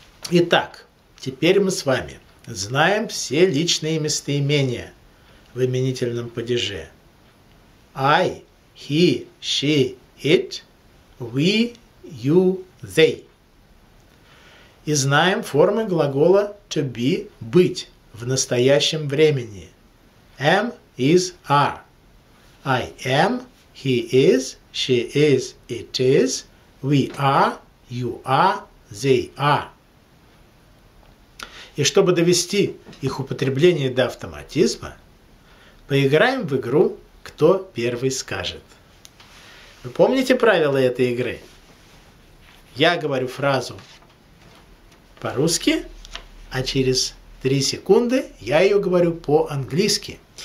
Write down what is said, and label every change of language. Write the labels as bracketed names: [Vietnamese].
[Russian] Итак, теперь мы с вами знаем все личные местоимения в именительном падеже. [English] I, he, she, it, we, you, they. [Russian] И знаем формы глагола to be, быть, в настоящем времени. [English] Am, is, are. I am, he is, she is, it is, we are, you are, they are. [Russian] И чтобы довести их употребление до автоматизма, поиграем в игру «Кто первый скажет?». Вы помните правила этой игры? Я говорю фразу по-русски, а через 3 секунды я ее говорю по-английски.